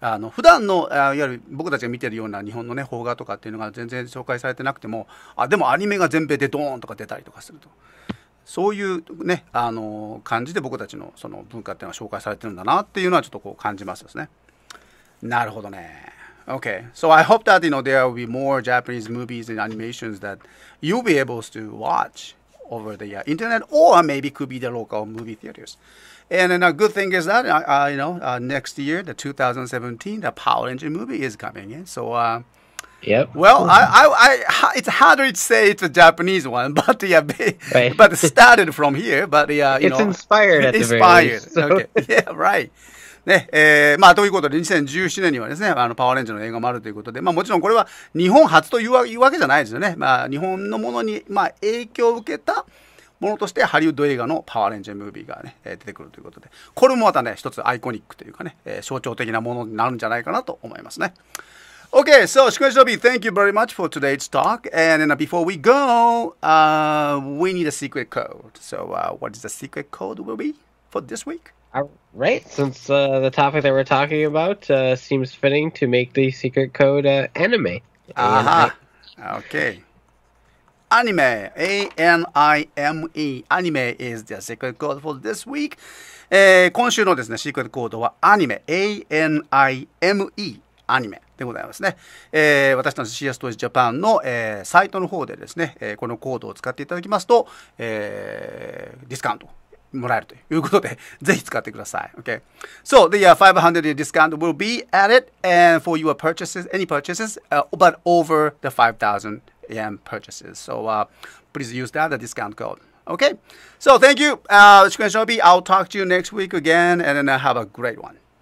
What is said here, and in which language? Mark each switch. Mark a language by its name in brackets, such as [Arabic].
[Japanese] 普段のいわゆる僕たちが見てるような日本のね邦画とかっていうのが全然紹介されてなくても、でもアニメが全米でドーンとか出たりとかすると、そういうね感じで僕たちのその文化っていうのは紹介されてるんだなっていうのはちょっとこう感じますですね。なるほどね。 [English] Okay, so I hope that you know there will be more Japanese movies and animations that you'll be able to watch over the internet or maybe could be the local movie theatersAnd then a good thing is that, next year, the 2017, the Power Engine movie is coming in. So Yep. Well, I, it's harder to say it's a Japanese one, but yeah, right. But it started from here, but yeah, you it's know, inspired at inspired. The very least. Inspired. Okay. Yeah, right. [Japanese] ね、まあ、ということで、2017年にはですね、あの、パワーレンジャーの映画もあるということで、まあ、もちろんこれは日本初というわけじゃないですよね。まあ、日本のものに、まあ、影響を受けたものとして、ハリウッド映画のパワーレンジャームービーがね、出てくるということで、これもまたね、一つアイコニックというかね、象徴的なものになるんじゃないかなと思いますね。 [English] Okay, so, Shukuenshinobi, thank you very much for today's talk. And before we go, we need a secret code. So, what is the secret code will be for this week? Right, since the topic that we're talking about seems fitting to make the secret code anime. Aha, okay. Anime, A-N-I-M-E. Anime is the secret code for this week. [Japanese] 今週のですね、シークレットコードはアニメ、A-N-I-M-E、アニメでございますね。私たち CSTOYS Japan の、サイトの方でですね、このコードを使っていただきますと、ディスカウント。もらえるということで、ぜひ使ってください。 [English] Okay. So the 500 discount will be added and for your purchases, any purchases, but over the 5,000 yen purchases. So please use that, the discount code. Okay. So thank you, Shukuenshinobi. I'll talk to you next week again and then have a great one.